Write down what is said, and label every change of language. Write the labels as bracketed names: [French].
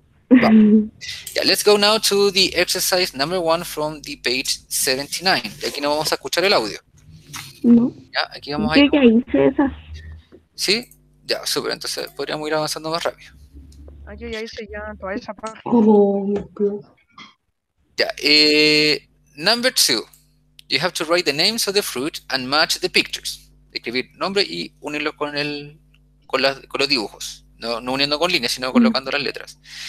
[English] Yeah, let's go now to the exercise number one from the page 79. [Spanish] De aquí no vamos a escuchar el audio. No. Ya, aquí vamos a ir. ¿Qué hice esa? Sí, ya, súper. Entonces podríamos ir avanzando más rápido. Ay, yo ya hice ya toda esa parte. Oh, [English] ya, number two. You have to write the names of the fruit and match the pictures. [Spanish] Escribir nombre y unirlo con los dibujos. No, no uniendo con líneas, sino colocando las letras.